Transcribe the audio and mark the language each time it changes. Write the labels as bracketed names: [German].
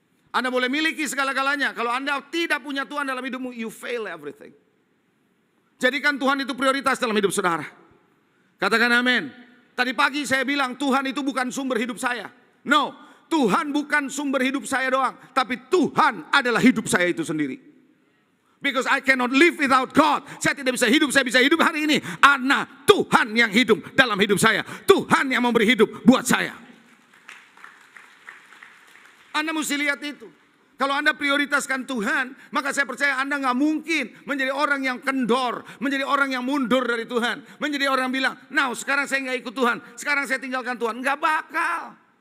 [Indonesian] Anda boleh miliki segala-galanya. Kalau Anda tidak punya Tuhan dalam hidupmu, [English] you fail everything. [Indonesian] Jadikan Tuhan itu prioritas dalam hidup saudara. Katakan amin. Tadi pagi saya bilang, Tuhan itu bukan sumber hidup saya. No, Tuhan bukan sumber hidup saya doang. Tapi Tuhan adalah hidup saya itu sendiri. [English] Because I cannot live without God. [Indonesian] Saya tidak bisa hidup, saya bisa hidup hari ini. Anak Tuhan yang hidup dalam hidup saya. Tuhan yang memberi hidup buat saya. Anda mesti lihat itu. Kalau Anda prioritaskan Tuhan, maka saya percaya Anda gak mungkin menjadi orang yang kendor, menjadi orang yang mundur dari Tuhan, menjadi orang bilang, nah sekarang saya gak ikut Tuhan, sekarang saya tinggalkan Tuhan. Gak bakal.